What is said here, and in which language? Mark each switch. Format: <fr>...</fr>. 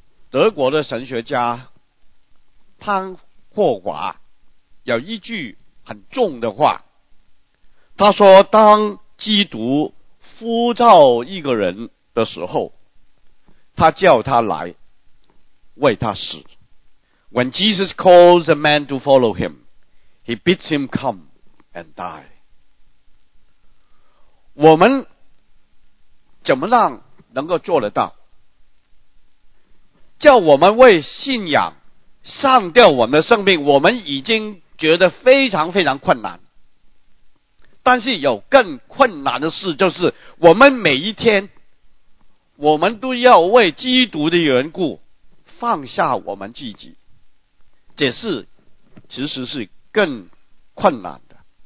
<zh>德国的神学家汤霍华有一句很重的话，他说当基督呼召一个人的时候，他叫他来为他死。</zh> <en>When Jesus calls a man to follow him, he bids him come and die。</en> <zh>我们怎么样能够做得到？叫我们为信仰上吊我们的生命，我们已经觉得非常非常困难。但是有更困难的事，就是我们每一天我们都要为基督的缘故放下我们自己，这是其实是更困难的。</zh>